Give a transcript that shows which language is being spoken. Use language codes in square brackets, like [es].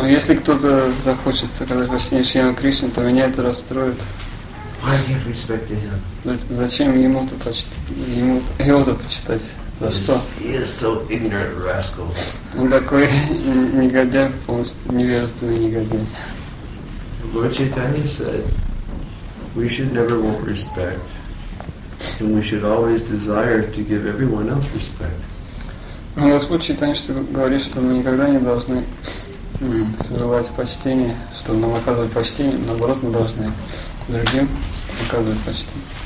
[ru] Ну, если кто-то захочет сказать почтение Шьяма Кришне, то меня это расстроит. [en] Why give respect to him? [ru] Зачем ему-то почитать? Его-то почитать? За что? [en] He is so ignorant rascal. [ru] Он такой негодяй, полностью невежественный негодяй. [en] Lord Chaitanya said, we should never want respect. And we should always desire to give everyone else respect. [ru] Но Господь Читание, что говорит, что мы никогда не должны желать почтения, что нам оказывать почтение, наоборот, мы должны другим оказывать почтение.